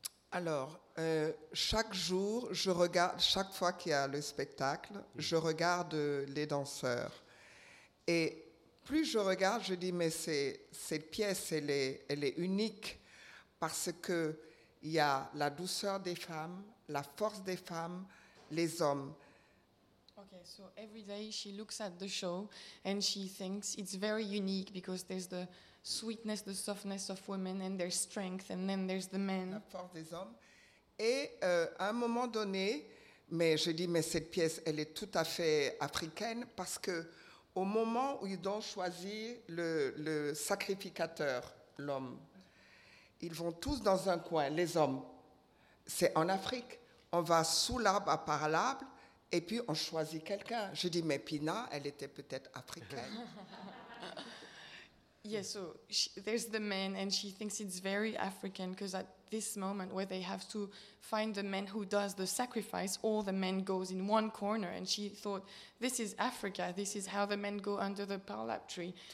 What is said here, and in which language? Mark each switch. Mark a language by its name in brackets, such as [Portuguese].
[French] Alors, chaque jour, je regarde, chaque fois qu'il y a le spectacle, je regarde les danseurs. Et plus je regarde, je dis, mais cette pièce, elle est unique, parce qu'il y a la douceur des femmes, la force des femmes, les hommes. [English] Okay, so every day she looks at the show and she thinks it's very unique because there's the sweetness, the softness of women and their strength, and then there's the men. [French] La force des hommes. Et à un moment donné, mais je dis, mais cette pièce, elle est tout à fait africaine, parce que au moment où ils ont choisi le sacrificateur, l'homme, ils vont tous dans un coin, les hommes. C'est en Afrique. On va sous l'arbre à part l'arbre, et puis on choisit quelqu'un. Je dis, mais Pina, elle était peut-être africaine. [English] Yeah, so there's the man, and she thinks it's very African because at this moment where they have to find the man who does the sacrifice, all the men goes in one corner, and she thought, this is Africa. This is how the men go under the palm tree.